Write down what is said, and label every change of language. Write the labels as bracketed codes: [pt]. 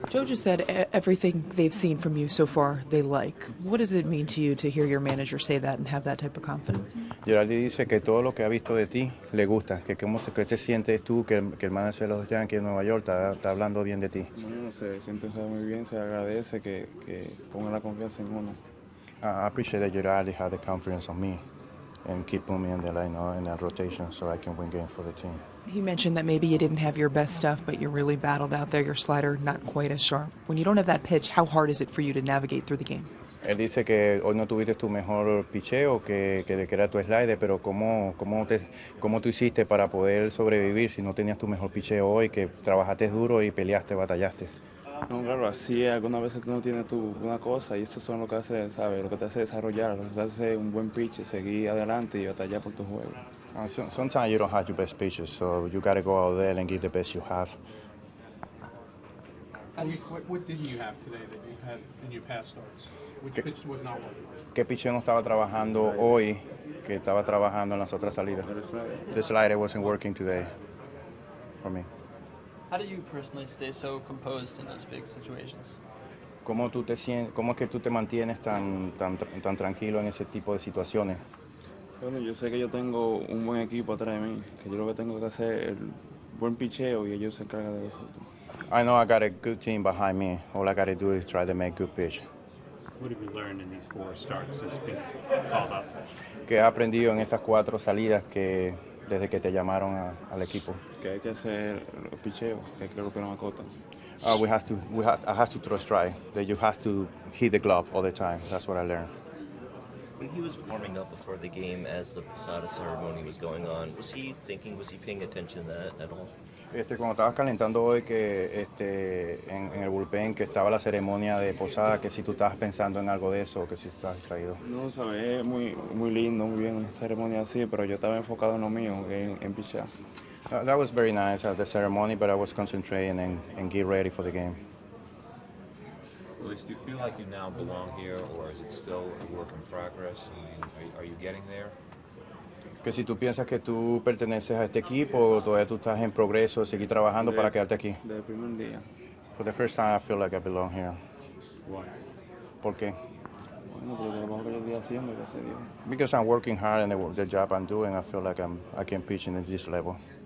[en] Joe just said everything they've seen from you so far, they like. What does it mean to you to hear your manager say that and have that type of confidence? [es] Geraldi dice que todo lo que ha visto de ti le gusta, que cómo que te sientes tú, que el manager de los Yankees de Nueva York está hablando bien de ti. Bueno, se siente muy bien, se agradece que ponga la confianza en uno. [en] I appreciate that Geraldi had the confidence on me and keep putting me in the line, you know, in that rotation so I can win games for the team. He mentioned that maybe you didn't have your best stuff, but you really battled out there, your slider not quite as sharp. When you don't have that pitch, how hard is it for you to navigate through the game? [es] Él dice que hoy no tuviste tu mejor picheo, que era tu slider, pero ¿cómo tú hiciste para poder sobrevivir si no tenías tu mejor picheo hoy, que trabajaste duro y peleaste, batallaste? No, claro, así es. Algunas veces tú no tienes tu una cosa y eso son lo que hace, ¿sabes? Lo que te hace desarrollar, lo que te hace un buen pitch, seguir adelante y batallar por tu juego. [en] Sometimes you don't have your best pitches, so you got to go out there and get the best you have. What didn't you have today that you had in your past starts? Which pitch was not working? [es] ¿Qué pitch no estaba trabajando hoy que estaba trabajando en las otras salidas? [en] The slider wasn't working today for me. How do you personally stay so composed in those big situations? [es] ¿Cómo tú te sientes? ¿Cómo es que tú te mantienes tan tranquilo en ese tipo de situaciones? Bueno, yo sé que yo tengo un buen equipo atrás de mí, que yo lo que tengo que hacer es el buen picheo y ellos se encargan de eso. [en] I know I got a good team behind me. All I got to do is try to make good pitch. What have you learned in these four starts that's been called up? [es] ¿Qué has aprendido en estas cuatro salidas que desde que te llamaron al equipo? Que hay que hacer los picheos, que creo que no me acotan. [en] I have to throw a strike. That you have to hit the glove all the time. That's what I learned. When he was warming up before the game as the Posada ceremony was going on, was he thinking, was he paying attention to that at all? [es] Cuando estabas calentando hoy que en el bullpen que estaba la ceremonia de Posada, que si tú estabas pensando en algo de eso, que si estabas distraído. No, sabes, es muy, muy lindo, muy bien una ceremonia así, pero yo estaba enfocado en lo mío, en pichar. [en] That was very nice at the ceremony, but I was concentrating and get ready for the game. Luis, do you feel like you now belong here, or is it still a work in progress? Are you getting there? [es] Que si tú piensas que tú perteneces a este equipo, todavía tú estás en progreso, seguir trabajando para quedarte aquí. Desde el primer día. [en] For the first time, I feel like I belong here. Why? [es] ¿Por qué? Bueno, porque lo mejor que yo estoy haciendo, gracias a Dios. [en] Because I'm working hard and the job I'm doing, I feel like I can pitch in this level.